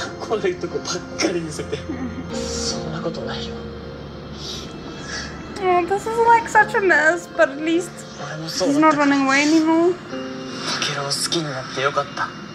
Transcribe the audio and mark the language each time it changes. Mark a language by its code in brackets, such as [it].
[ja] 悪いとこばっかり見せて、そんなことないよ。 [en] Yeah, this is like such a mess, but at least he's not running away anymore. [ja] タケルを好きになってよかった。